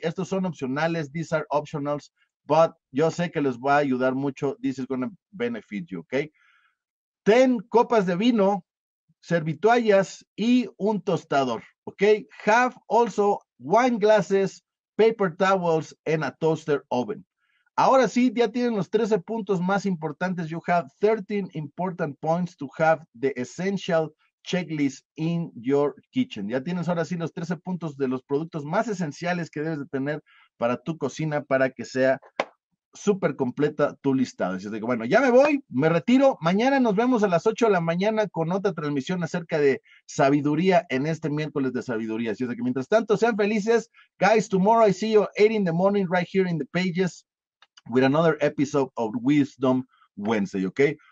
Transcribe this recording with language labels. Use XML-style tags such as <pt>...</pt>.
<es>Estos son opcionales.</es> <en>These are optionals. But</en> <es>yo sé que les va a ayudar mucho.</es> <en>This is going to benefit you, okay?</en> <es>Ten copas de vino, servitoallas y un tostador, okay?</es> <en>Have also wine glasses, paper towels, and a toaster oven.</en> <es>Ahora sí, ya tienen los 13 puntos más importantes.</es> <en>You have 13 important points to have the essential checklist in your kitchen.</en> <es>Ya tienes ahora sí los 13 puntos de los productos más esenciales que debes de tener para tu cocina para que sea súper completa tu listado. Así que bueno, ya me voy, me retiro. Mañana nos vemos a las 8 de la mañana con otra transmisión acerca de sabiduría en este miércoles de sabiduría. Así que mientras tanto, sean felices.</es> <en>Guys, tomorrow I see you 8 in the morning right here in the pages with another episode of Wisdom Wednesday, ¿ok?</en>